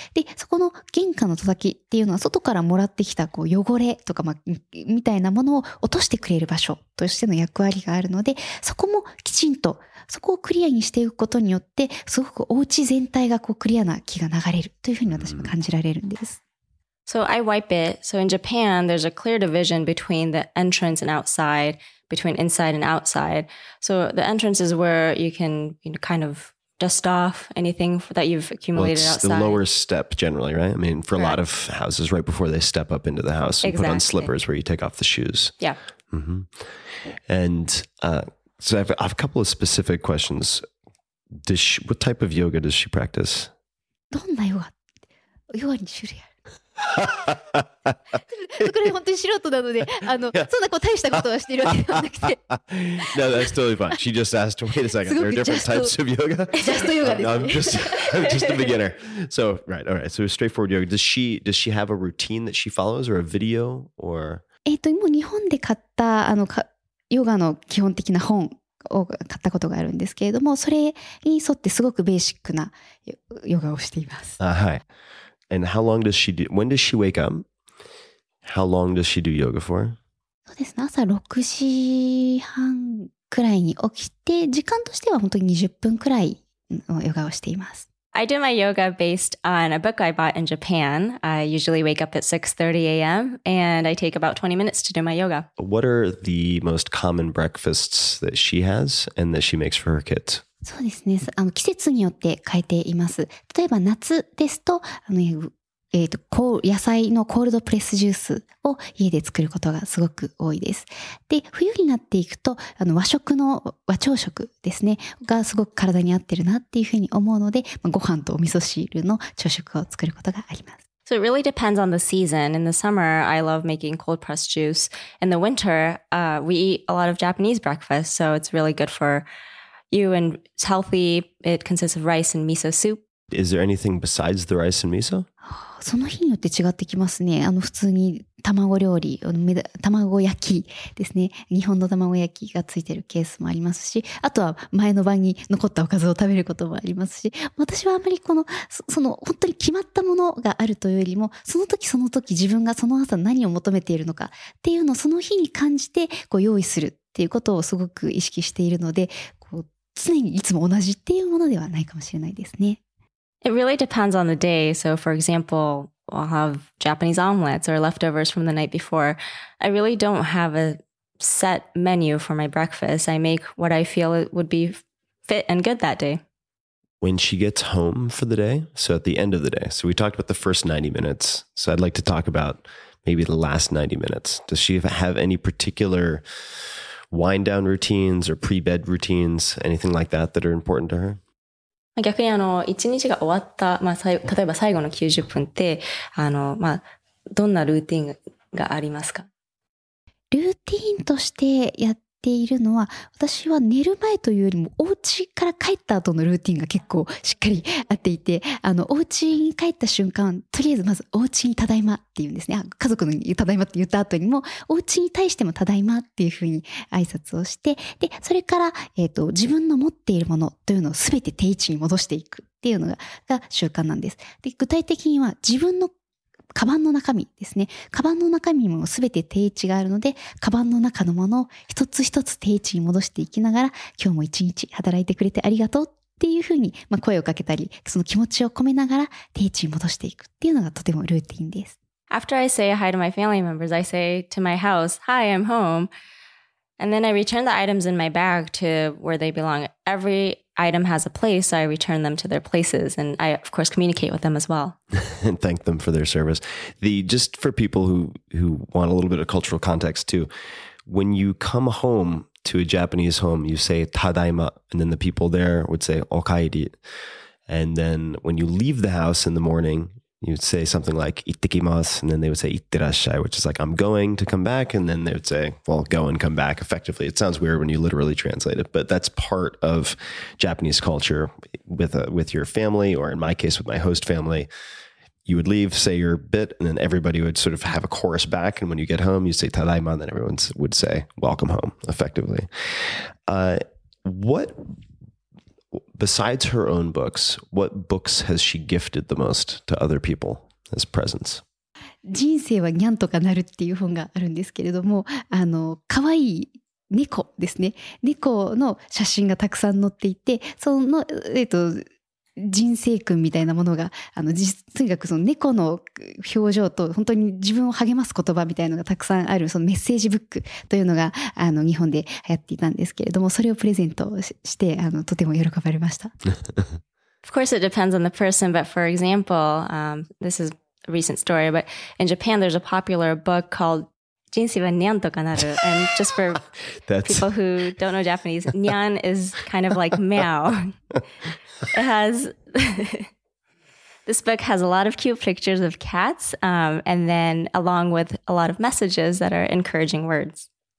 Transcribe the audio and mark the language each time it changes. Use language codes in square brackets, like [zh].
[ja] で、そこの玄関の叩きっていうのは外からもらってきたこう汚れとか、みたいなものを落としてくれる場所としての役割があるので、そこもきちんと、そこをクリアにしていくことによって、すごくお家全体がこうクリアな気が流れるというふうに私も感じられるんです。 [en] So I wipe it. So in Japan, there's a clear division between the entrance and outside, between inside and outside. So the entrance is where you can, you know, kind of dust off anything that you've accumulated well, outside. It's the lower step generally, right? I mean, for a lot of houses, right before they step up into the house, you exactly. put on slippers where you take off the shoes. Yeah. Mm-hmm. And so I have a couple of specific questions. What type of yoga does she practice? [ja] どんなヨガ?ヨガに種類ある? これ本当に素人なので、 [en] yeah. [ja] そんなこう大したことはしているわけではなくて。 [en] No, that's totally fine. She just asked, wait a second, there are different types of yoga? Just yoga [ja] ですね。 [en] I'm just a beginner. So, right, all right. So, straightforward yoga. Does she have a routine that she follows or a video or...? [ja] もう日本で買ったあのヨガの基本的な本を買ったことがあるんですけれども、それに沿ってすごくベーシックなヨガをしています。はい。 [en] And how long does she do? When does she wake up? How long does she do yoga for? [ja] そうですね。朝6時半くらいに起きて、時間としては本当に20分くらいのヨガをしています。 [en] I do my yoga based on a book I bought in Japan. I usually wake up at 6:30 a.m. and I take about 20 minutes to do my yoga. What are the most common breakfasts that she has and that she makes for her kids? [ja] そうですね。あの季節によって変えています。例えば夏ですと、あの、野菜のコールドプレスジュースを家で作ることがすごく多いです。で、冬になっていくと、あの和食の和朝食ですね、がすごく体に合ってるなっていうふうに思うので、まあ、ご飯とお味噌汁の朝食を作ることがあります。 [en] So it really depends on the season. In the summer, I love making cold pressed juice. In the winter, we eat a lot of Japanese breakfast, so it's really good for you and it's healthy. It consists of rice and miso soup. Is there anything besides the rice and miso? [ja] その日によって違ってきますね。あの普通に卵料理、卵焼きですね。日本の卵焼きがついてるケースもありますし、あとは前の晩に残ったおかずを食べることもありますし、私はあまりこの、その本当に決まったものがあるというよりも、その時その時自分がその朝何を求めているのかっていうのをその日に感じてこう用意するっていうことをすごく意識しているので、こう常にいつも同じっていうものではないかもしれないですね。 [en] It really depends on the day. So for example, I'll have Japanese omelets or leftovers from the night before. I really don't have a set menu for my breakfast. I make what I feel would be fit and good that day. When she gets home for the day, so at the end of the day, so we talked about the first 90 minutes. So I'd like to talk about maybe the last 90 minutes. Does she have any particular wind down routines or pre-bed routines, anything like that that are important to her? [ja] 逆にあの、一日が終わった、まあ、例えば最後の90分って、あの、まあ、どんなルーティンがありますか？ルーティーンとしてやっているのは、私は寝る前というよりも、お家から帰った後のルーティンが結構しっかりあっていて、あの、お家に帰った瞬間、とりあえずまずお家にただいまっていうんですね。あ、家族のにただいまって言った後にも、お家に対してもただいまっていうふうに挨拶をして、で、それから、自分の持っているものというのをすべて定位置に戻していくっていうのが習慣なんです。で、具体的には自分のカバンの中身ですね。カバンの中身もすべて定位置があるので、カバンの中のものを一つ一つ定位置に戻していきながら、今日も一日働いてくれてありがとうっていうふうに、まあ、声をかけたり、その気持ちを込めながら定位置に戻していくっていうのがとてもルーティンです。 [en] After I say hi to my family members, I say to my house, hi, I'm home. And then I return the items in my bag to where they belong. Every item has a place, so I return them to their places, and I, of course, communicate with them as well. And thank them for their service. The, just for people who want a little bit of cultural context too, when you come home to a Japanese home, you say, tadaima, and then the people there would say, okaeri. And then when you leave the house in the morning, you'd say something like, ittekimasu, and then they would say, itterashai, which is like, I'm going to come back, and then they would say, well, go and come back, effectively. It sounds weird when you literally translate it, but that's part of Japanese culture with your family, or in my case, with my host family. You would leave, say your bit, and then everybody would sort of have a chorus back, and when you get home, you say, tadaima, and then everyone would say, welcome home, effectively. What... Besides her own books, what books has she gifted the most to other people as presents? [ja] 人生はニャンとかなるっていう本があるんですけれども、あの、かわいい猫ですね。猫の写真がたくさん載っていて、その、人生訓みたいなものが、あの、とにかくその猫の表情と本当に自分を励ます言葉みたいなのがたくさんある、そのメッセージブックというのが、あの、日本で流行っていたんですけれども、それをプレゼントして、あの、とても喜ばれました。 [en] Of course, it depends on the person, but for example, this is a recent story, but in Japan, there's a popular book called Jinsei wa Nyan to kanaru. And just for people who don't know Japanese, Nyan is kind of like meow. It has, this book has a lot of cute pictures of cats, and then along with a lot of messages that are encouraging words.